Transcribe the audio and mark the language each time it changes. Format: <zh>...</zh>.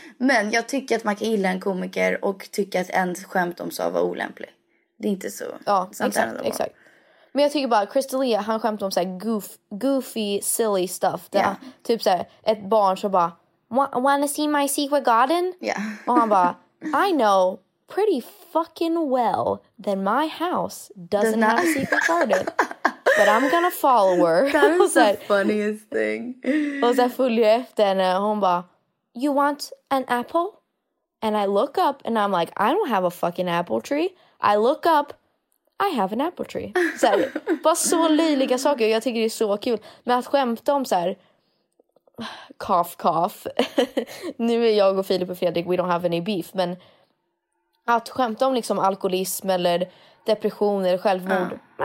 <sv>Men jag tycker att man kan gilla en komiker och tycka att en skämt om så var olämplig. Det är inte så. Ja, exakt. Men jag tycker bara att Chris D'Elia, han skämt om så här</sv> <en>goofy, silly stuff.</en> <sv>Där</sv> <en>yeah.</en> <sv>Typ så här, ett barn som bara,</sv> <en>wanna see my secret garden? Yeah.</en> <sv>Och han bara,</sv> <en>I know pretty fucking well that my house doesn't have a secret garden. But I'm gonna follow her. That's the funniest thing.</en> <sv>Och så följer jag efter henne. Hon bara,</sv> <en>you want an apple? And I look up and I'm like, I don't have a fucking apple tree. I look up, I have an apple tree.</en> <sv>Så här, bara så löjliga saker. Jag tycker det är så kul. Men att skämta om så här,</sv> <en>cough, cough.</en> <sv>Nu är jag och Filip och Fredrik,</sv> <en>we don't have any beef.</en> <sv>Men att skämta om liksom alkoholism eller depression eller självmord.</sv>